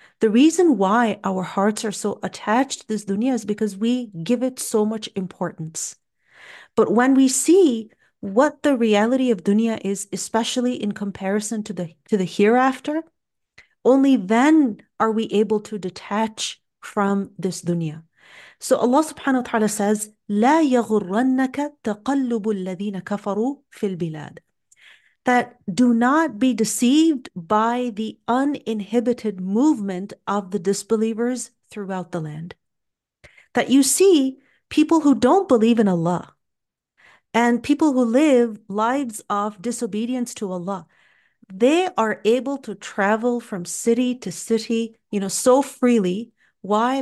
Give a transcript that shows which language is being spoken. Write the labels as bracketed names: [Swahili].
[English] The reason why our hearts are so attached to this dunya is because we give it so much importance. But when we see what the reality of dunya is, especially in comparison to the hereafter, only then are we able to detach from this dunya. So Allah subhanahu wa ta'ala says, [Arabic] لَا يَغُرَّنَّكَ تَقَلُّبُ الَّذِينَ كَفَرُوا فِي الْبِلَادِ. [English] That do not be deceived by the uninhibited movement of the disbelievers throughout the land. That you see people who don't believe in Allah and people who live lives of disobedience to Allah, they are able to travel from city to city, so freely. Why?